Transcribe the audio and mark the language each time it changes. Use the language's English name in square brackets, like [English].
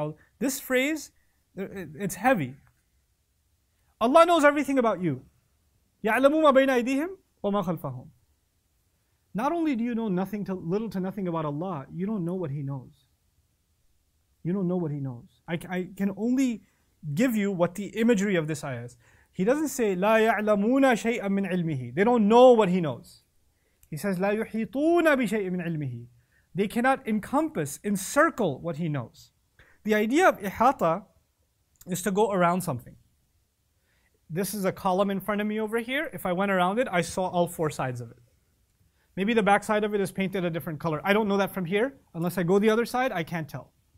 [English] Now, this phrase, it's heavy. Allah knows everything about you. [Arabic] يَعْلَمُ مَا بَيْنَ أَيْدِيهِمْ وَمَا خَلْفَهُمْ. [English] Not only do you know nothing to little to nothing about Allah, you don't know what he knows. You don't know what he knows. I can only give you what the imagery of this ayah is. He doesn't say, [Arabic] لَا يَعْلَمُونَ شَيْئًا مِّنْ عِلْمِهِ. [English] They don't know what he knows. He says, [Arabic] لَا يُحِيطُونَ بِشَيْءٍ مِّنْ عِلْمِهِ. [English] They cannot encompass, encircle what he knows. The idea of ihata is to go around something. This is a column in front of me over here. If I went around it, I saw all four sides of it. Maybe the back side of it is painted a different color. I don't know that from here. Unless I go the other side, I can't tell.